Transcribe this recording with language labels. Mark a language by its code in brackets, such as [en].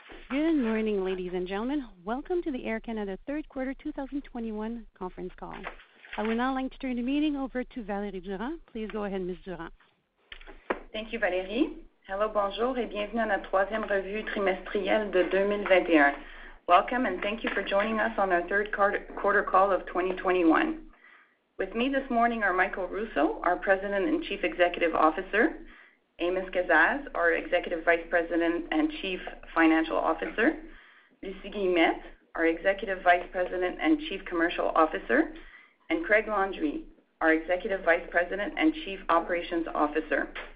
[en] Good morning, ladies and gentlemen. Welcome to the Air Canada Third Quarter 2021 conference call. I would now like to turn the meeting over to Valérie Durand. Please go ahead, Ms. Durand. Thank you, Valérie. [fr] Hello, bonjour, et bienvenue à la troisième revue trimestrielle de 2021. [en] Welcome, and thank you for joining us on our third quarter call of 2021. With me this morning are Michael Russo, our President and Chief Executive Officer, Amos Gazaz, our Executive Vice President and Chief Financial Officer, Lucie Guillemette, our Executive Vice President and Chief Commercial Officer, and Craig Landry, our Executive Vice President and Chief Operations Officer.